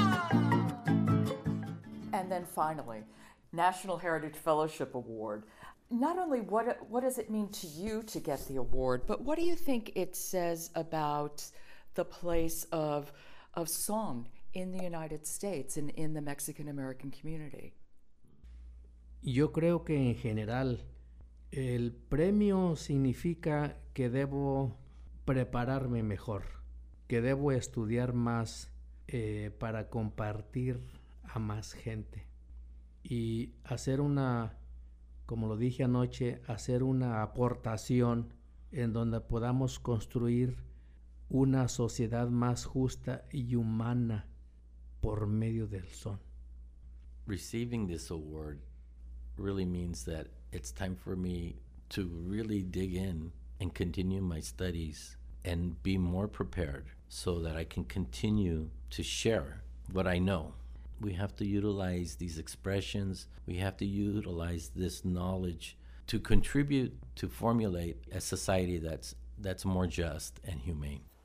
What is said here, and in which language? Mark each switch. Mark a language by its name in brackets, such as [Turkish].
[English] And then finally, National Heritage Fellowship Award. Not only what does it mean to you to get the award, but what do you think it says about the place of song in the United States and in the Mexican-American community? [Spanish] Yo creo que en general, el premio significa que debo prepararme mejor, que debo estudiar más para compartir a más gente y hacer una, como lo dije anoche, hacer una aportación en donde podamos construir una sociedad más justa y humana por medio del son. [English] Receiving this award really means that it's time for me to really dig in and continue my studies and be more prepared so that I can continue to share what I know we have to utilize these expressions. We have to utilize this knowledge to contribute, to formulate a society that's more just and humane.